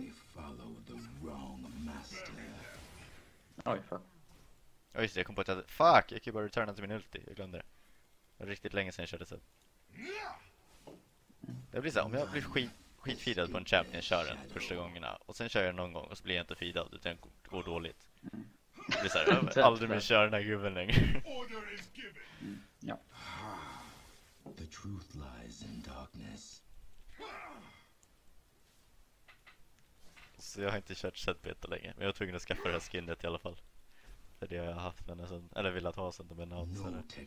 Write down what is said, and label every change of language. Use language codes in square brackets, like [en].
[en] They follow the wrong master. [sv] Oj, fan. Oj, just det, jag kom på att jag hade... Fuck, jag kan ju bara returna till min ulti. Jag glömde det. Det var riktigt länge sedan jag körde så. Det blir så här, om jag blir skitfeedad på en champ när jag kör den första gångerna och sen kör jag någon gång och så blir jag inte feedad utan det går dåligt. Det blir så här, jag vill aldrig mer köra den här gubben längre. Ja. [en] The truth lies in darkness. [sv] Så jag har inte kört Zedbeta länge, men jag var tvungen att skaffa det här skinnet i alla fall. Det är det jag har haft med sen, eller vill att ha sen, men jag har inte sen.